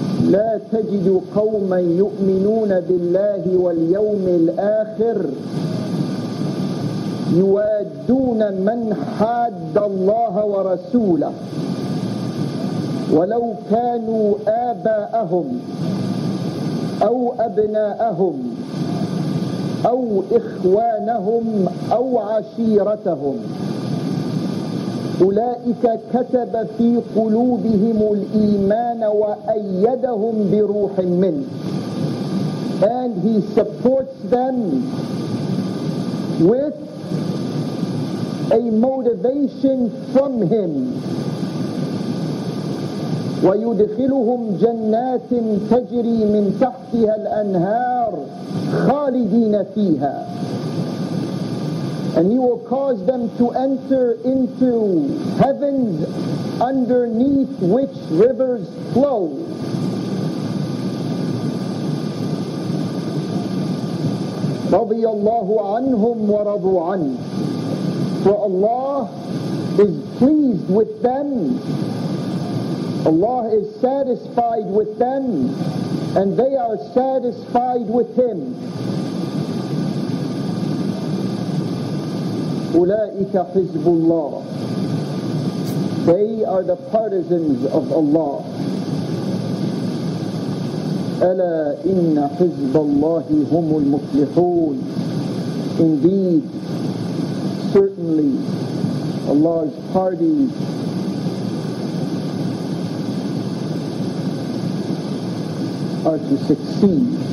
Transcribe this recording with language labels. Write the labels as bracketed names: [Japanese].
[Arabic] لا تجد قوما يؤمنون بالله واليوم الآخر يوادون من حاد الله ورسوله ولو كانوا آباءهم أو أبناءهم أو إخوانهم أو عشيرتهم. أولئك كتب في قلوبهم الإيمان وأيدهم بروح منه. [English] And he supports them with a motivation from him. [Arabic] ويدخلهم جنات تجري من تحتها الأنهار خالدين فيها. [English] And he will cause them to enter into heavens underneath which rivers flow. [Arabic] رضي الله عنهم ورضوا عنه. [English] For Allah is pleased with them, Allah is satisfied with them, and they are satisfied with Him. [Arabic] أولئك حزب الله. [English] They are the partisans of Allah. [Arabic] ألا إن حزب الله هم المفلحون. [English] Indeed, certainly, Allah's party are to succeed.